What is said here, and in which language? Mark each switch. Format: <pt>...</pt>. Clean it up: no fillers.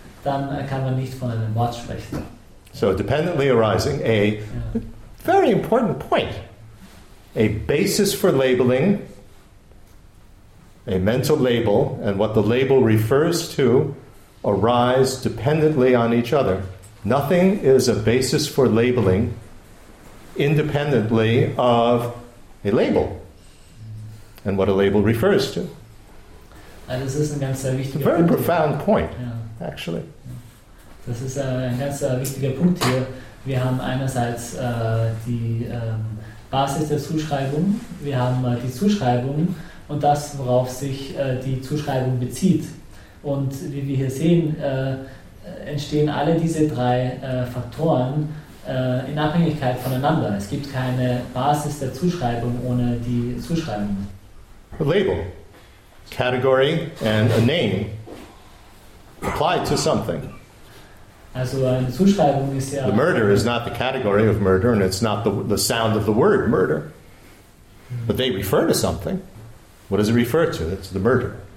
<de>dann kann man nicht von einem Wort sprechen.</de> <en>So dependently arising, a very important point, a basis for labeling, a mental label, and what the label refers to arise dependently on each other. Nothing is a basis for labeling independently of a label and what a label refers to.</en> <de>Also, das ist ein ganz wichtiger</de> <en>very</en> <de>Punkt</de> <en>profound</en> <de>hier.</de> <en>Point, actually.</en> <de>Das ist ein ganz wichtiger Punkt hier. Wir haben einerseits die Basis der Zuschreibung, wir haben die Zuschreibung und das, worauf sich die Zuschreibung bezieht. Und wie wir hier sehen, entstehen alle diese drei Faktoren in Abhängigkeit voneinander. Es gibt keine Basis der Zuschreibung ohne die Zuschreibung.</de> <en>A label, category and a name applied to something.</en> <de>Also eine Zuschreibung ist ja...</de> <en>The murder is not the category of murder and it's not the sound of the word murder. But they refer to something. What does it refer to? It's the murder.</en>